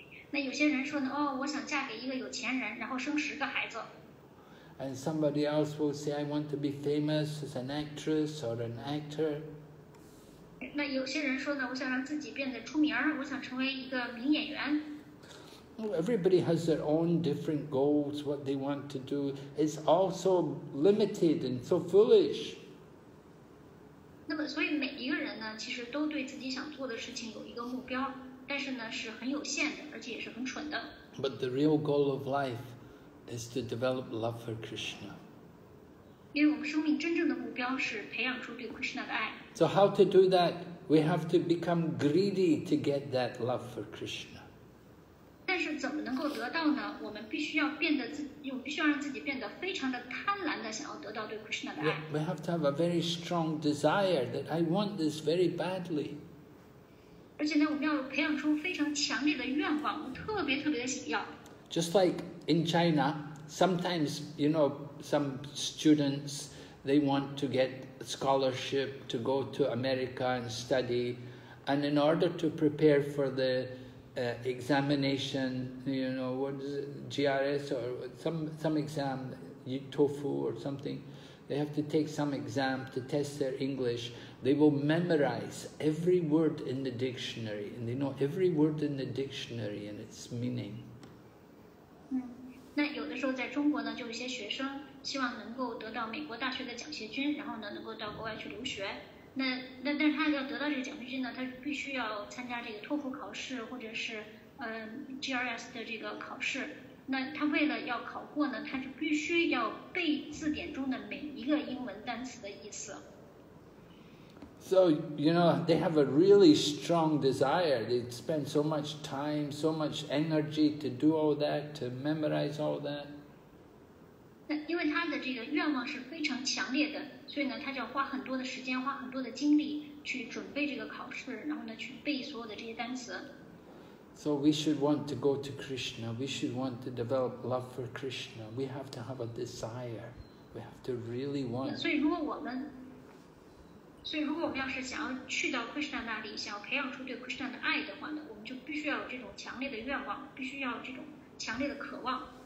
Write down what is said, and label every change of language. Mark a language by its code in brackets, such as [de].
[zh] 那有些人说呢，哦，我想嫁给一个有钱人，然后生十个孩子。 [en] And somebody else will say, "I want to be famous as an actress or an actor." [zh] 那有些人说呢，我想让自己变得出名，我想成为一个名演员。 [en] Everybody has their own different goals, what they want to do. It's all so limited and so foolish. [zh] 那么，所以每一个人呢，其实都对自己想做的事情有一个目标，但是呢，是很有限的，而且也是很蠢的。 [en] But the real goal of life is to develop love for Krishna. [zh] 因为我们生命真正的目标是培养出对 Krishna 的爱。 [en] So how to do that? We have to become greedy to get that love for Krishna. [zh] 但是怎么能够得到呢？我们必须要变得我们必须要让自己变得非常的贪婪的，想要得到对 Krishna 的爱。 [en] We have to have a very strong desire that I want this very badly. [zh] 而且呢，我们要培养出非常强烈的愿望，我特别特别的想要。 [en] Just like in China, sometimes you know some students they want to get a scholarship to go to America and study, and in order to prepare for the examination, you know, what is it, GRS or some exam, TOEFL or something, they have to take some exam to test their English. They will memorize every word in the dictionary, and they know every word in the dictionary and its meaning. [zh] 那有的时候在中国呢，就一些学生希望能够得到美国大学的奖学金，然后呢，能够到国外去留学。那但是他要得到这个奖学金呢，他必须要参加这个托福考试或者是GRS 的这个考试。那他为了要考过呢，他就必须要背字典中的每一个英文单词的意思。 [en] So you know they have a really strong desire. They spend so much time, so much energy to do all that, to memorize all that. [zh] 因为他的这个愿望是非常强烈的，所以呢，他就要花很多的时间，花很多的精力去准备这个考试，然后呢，去背所有的这些单词。 [en] So we should want to go to Krishna. We should want to develop love for Krishna. We have to have a desire. We have to really want. [zh] 所以如果我们要是想要去到 Krishna 那里，想要培养出对 Krishna 的爱的话呢，我们就必须要有这种强烈的愿望，必须要有这种强烈的渴望。